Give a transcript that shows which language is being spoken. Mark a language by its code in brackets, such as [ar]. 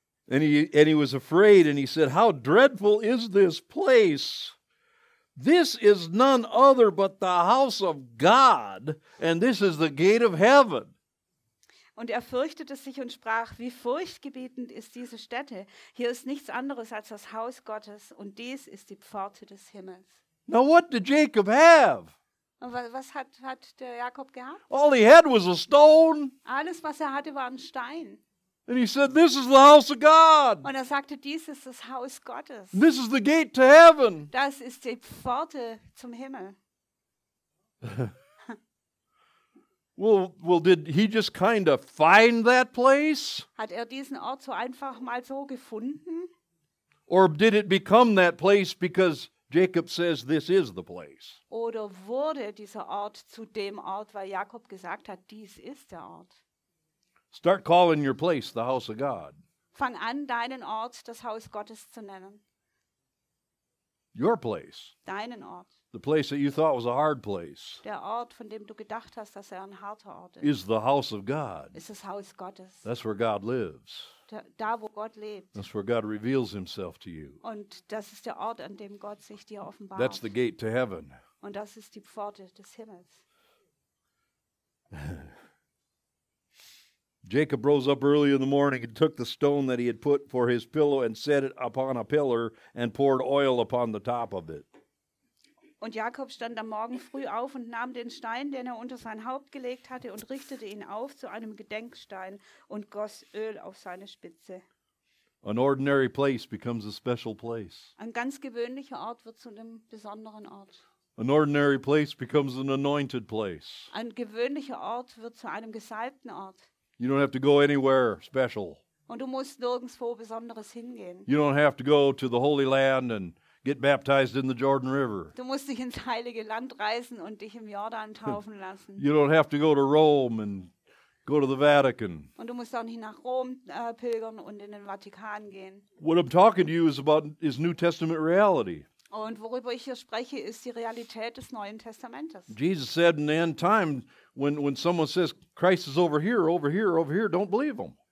[en] And he was afraid, and he said, "How dreadful is this place? This is none other but the house of God, and this is the gate of heaven." [de] Und er fürchtete sich und sprach, wie furchtgebietend ist diese Stätte. Hier ist nichts anderes als das Haus Gottes und dies ist die Pforte des Himmels. [en] Now what did Jacob have? [de] Und was hat der Jakob gehabt? [en] All he had was a stone. [de] Alles, was er hatte, war ein Stein. [en] And he said, this is the house of God. [de] Und er sagte, dies ist das Haus Gottes. [en] This is the gate to heaven. [de] Das ist die Pforte zum Himmel. [en] Well, did he just kind of find that place? [de] Hat diesen Ort so einfach mal so gefunden? [en] Or did it become that place because Jacob says this is the place? [de] Oder wurde dieser Ort zu dem Ort, weil Jakob gesagt hat, dies ist der Ort? [en] Start calling your place the house of God. [de] Fang an, deinen Ort das Haus Gottes zu nennen. [en] Your place. [de] Deinen Ort. [en] The place that you thought was a hard place. [de] Der Ort, von dem du gedacht hast, dass ein harter Ort ist. [en] Is the house of God. [de] Ist das Haus Gottes. [en] That's where God lives. [de] Da wo Gott lebt. [en] That's where God reveals himself to you. [de] Und das ist der Ort, an dem Gott sich dir offenbart. [en] That's the gate to heaven. [de] Und das ist die Pforte des Himmels. [en] Jacob rose up early in the morning and took the stone that he had put for his pillow and set it upon a pillar and poured oil upon the top of it. [de] Und Jakob stand am Morgen früh auf und nahm den Stein, den er unter sein Haupt gelegt hatte, und richtete ihn auf zu einem Gedenkstein und goss Öl auf seine Spitze. [en] An ordinary place becomes a special place. [de] Ein ganz gewöhnlicher Ort wird zu einem besonderen Ort. [en] An ordinary place becomes an anointed place. [de] Ein gewöhnlicher Ort wird zu einem gesalbten Ort. [en] You don't have to go anywhere special. [de] Und du musst nirgendwo Besonderes hingehen. [en] You don't have to go to the Holy Land and get baptized in the Jordan River. [de] Du musst dich ins Heilige Land reisen und dich im Jordan taufen lassen. [en] You don't have to go to Rome and go to the Vatican. [de] Und du musst auch nicht nach Rom pilgern und in den Vatikan gehen. [en] What I'm talking to you is about is New Testament reality. [de] Und worüber ich hier spreche, ist die Realität des Neuen Testamentes. [en] Jesus said in the end time, when someone says Christ is over here, don't believe them.